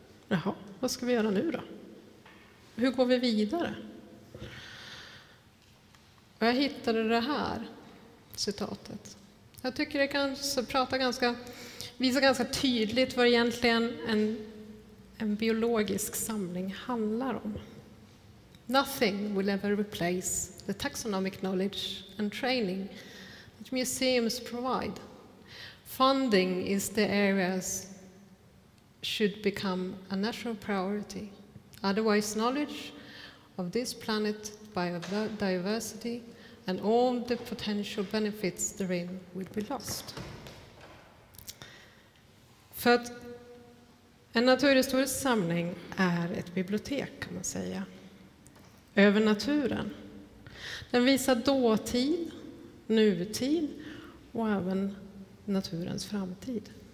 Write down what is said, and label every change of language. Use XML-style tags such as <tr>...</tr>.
<sv>Jaha, vad ska vi göra nu då? Hur går vi vidare? Och jag hittade det här citatet. Jag tycker det kan prata ganska, visa ganska tydligt vad egentligen en biologisk samling handlar om.</sv> <en>Nothing will ever replace the taxonomic knowledge and training that museums provide. Funding is the areas should become a national priority. Otherwise, knowledge of this planet, biodiversity, and all the potential benefits therein will be lost.</en> <sv>För att en naturhistorisk samling är ett bibliotek, kan man säga. Över naturen. Den visar dåtid, nutid och även naturens framtid.</sv>